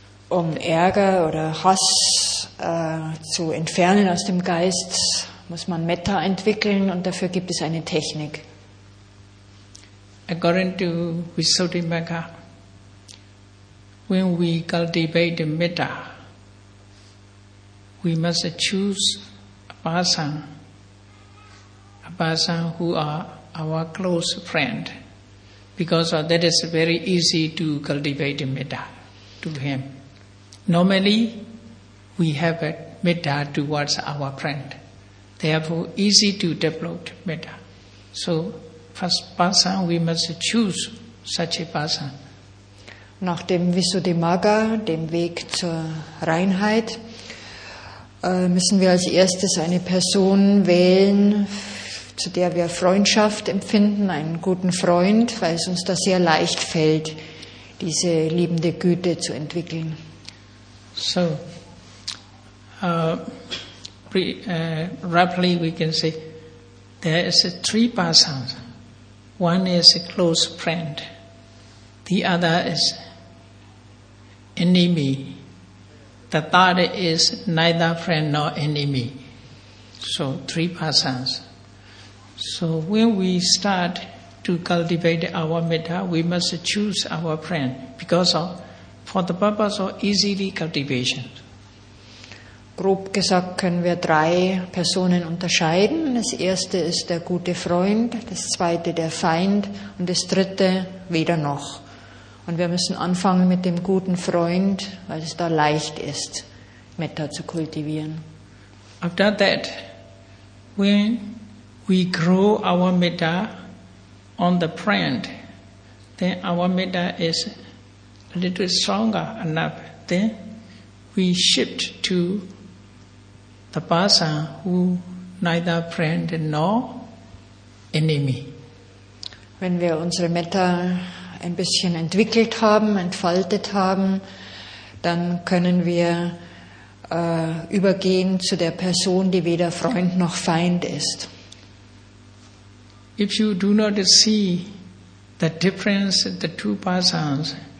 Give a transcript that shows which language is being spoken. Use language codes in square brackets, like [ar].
[de] Ärger oder Hass zu entfernen aus dem Geist, muss man Metta entwickeln und dafür gibt es eine Technik. [en] According to Visuddhimagga, when we cultivate Metta, we must choose a person who are our close friend, because that is very easy to cultivate Metta to him. Normally, we have metta towards our friend. Therefore, easy to develop metta. So, first person, we must choose such a person. [de] Nach dem Visuddhimagga, dem Weg zur Reinheit, müssen wir als erstes eine Person wählen, zu der wir Freundschaft empfinden, einen guten Freund, weil es uns da sehr leicht fällt, diese liebende Güte zu entwickeln. [en] So, roughly we can say there is three persons. One is a close friend. The other is enemy. The third is neither friend nor enemy. So, three persons. So, when we start to cultivate our metta, we must choose our friend because of for the purpose of easily cultivation. [de] Grob gesagt können wir drei Personen unterscheiden. Das erste ist der gute Freund, das zweite der Feind und das dritte weder noch. Und wir müssen anfangen mit dem guten Freund, weil es da leicht ist, Metta zu kultivieren. [en] After that, when we grow our Metta on the friend, then our Metta is a little stronger enough, then we shift to the person who neither friend nor enemy. [de] Wenn wir unsere Metta ein bisschen entwickelt haben, entfaltet haben, dann können wir übergehen zu der Person, die weder Freund noch Feind ist. [en] If you do not see the difference in the two persons,